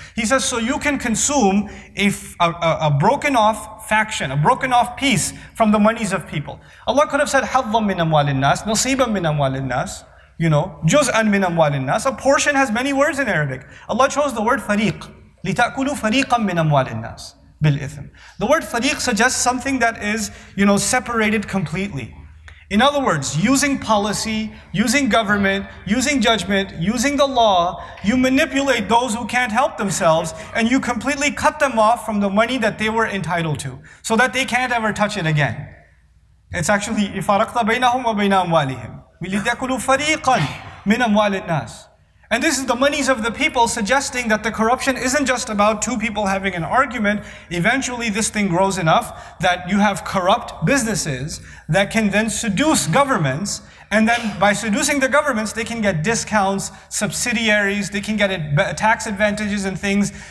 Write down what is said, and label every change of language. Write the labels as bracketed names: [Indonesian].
[English] He says, so you can consume a broken off faction, a broken off piece from the monies of people. Allah could have said, [Arabic] حَظًّا مِنْ أَمْوَالِ النَّاسِ, نَصِيبًا مِنْ أَمْوَالِ النَّاسِ, [English] you know, [Arabic] جُزْءًا مِنْ أَمْوَالِ النَّاسِ. [English] A portion has many words in Arabic. Allah chose the word fariq. [Arabic] لتأكلوا فريقا من أموال الناس بالإثم. [English] The word فريق suggests something that is, you know, separated completely. In other words, using policy, using government, using judgment, using the law, you manipulate those who can't help themselves and you completely cut them off from the money that they were entitled to so that they can't ever touch it again. It's actually [Arabic] إِفَارَقْتَ بَيْنَهُمْ وَبَيْنَ أَمْوَالِهِمْ وَلِتَأْكُلُوا فَرِيقًا مِنْ أَمْوَالِ النَّاسِ. [English] And this is the monies of the people, suggesting that the corruption isn't just about two people having an argument. Eventually this thing grows enough that you have corrupt businesses that can then seduce governments, and then by seducing the governments they can get discounts, subsidiaries, they can get tax advantages and things.